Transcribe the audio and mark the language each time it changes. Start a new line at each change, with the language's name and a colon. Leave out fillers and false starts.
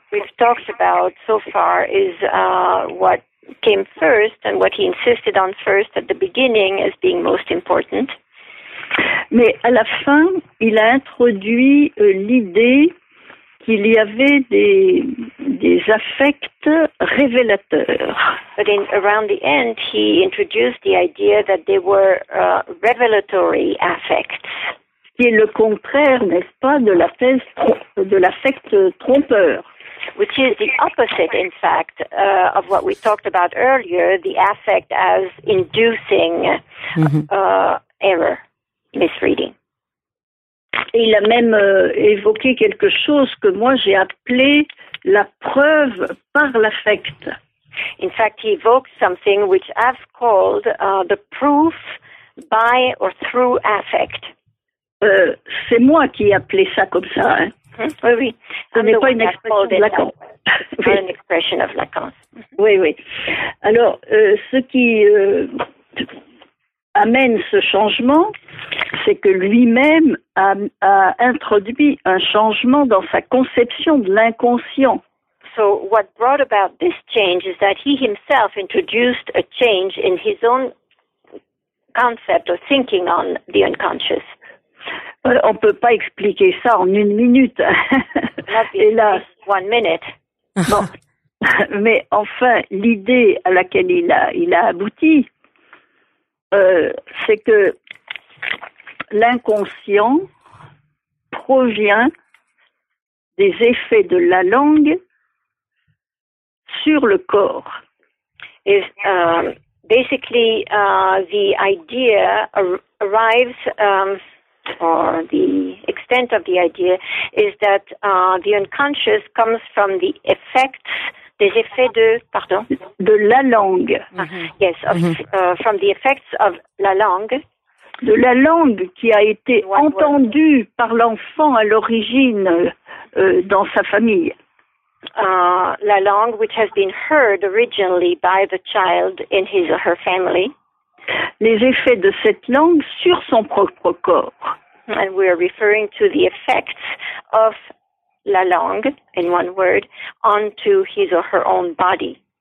English: What we've talked about so far is what came first and what he insisted on first at the beginning as being most important.
French: Mais à la fin, il a introduit l'idée qu'il y avait des affects révélateurs.
English: But in around the end, he introduced the idea that they were revelatory affects.
French: Qui est le contraire, n'est-ce pas, de la thèse de l'affect trompeur.
English: Which is the opposite, in fact, of what we talked about earlier, the affect as inducing error. Misreading.
French: Il a même évoqué quelque chose que moi j'ai appelé la preuve par l'affect.
English: In fact, he evoked something which I've called the proof by or through affect.
French: C'est moi qui ai appelé ça comme ça. Hein. Mm-hmm. Oui, oui. Ce n'est pas une expression de Lacan.
English: Oui. Not an expression of Lacan.
French: Oui, oui. Alors, ce qui amène ce changement, c'est que lui-même a introduit un changement dans sa conception de l'inconscient.
English: So what brought about this change is that he himself introduced a change in his own concept or thinking on the unconscious.
French: On peut pas expliquer ça en une minute.
English: Et là, one minute.
French: Bon, mais enfin, l'idée à laquelle il a abouti, c'est que l'inconscient provient des effets de la langue sur le corps.
English: Is basically the idea arrives. Or the extent of the idea is that the unconscious comes from the effects, des effets de, pardon,
French: de la langue.
English: Mm-hmm. Yes, of, mm-hmm. From the effects of la langue,
French: de la langue qui a été entendue par l'enfant à l'origine dans sa famille.
English: La langue which has been heard originally by the child in his or her family.
French: Les effets de cette langue sur son propre corps.
English: And we are referring to the effects of la langue, in one word, onto his or her own body.